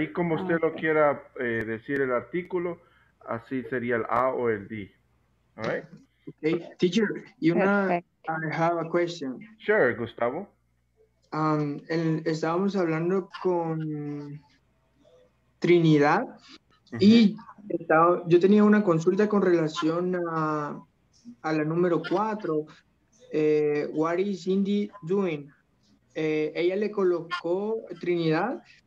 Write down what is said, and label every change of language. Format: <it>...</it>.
<es>Ahí como usted lo quiera decir el artículo, así sería el A o el D,</es> <en>all right? Okay, teacher, you know, I have a question. Sure, Gustavo.</en> <es>Estábamos hablando con Trinidad y yo tenía una consulta con relación a la número 4.</es> <en>What is Cindy doing?</en> <es>Ella le colocó Trinidad.</es>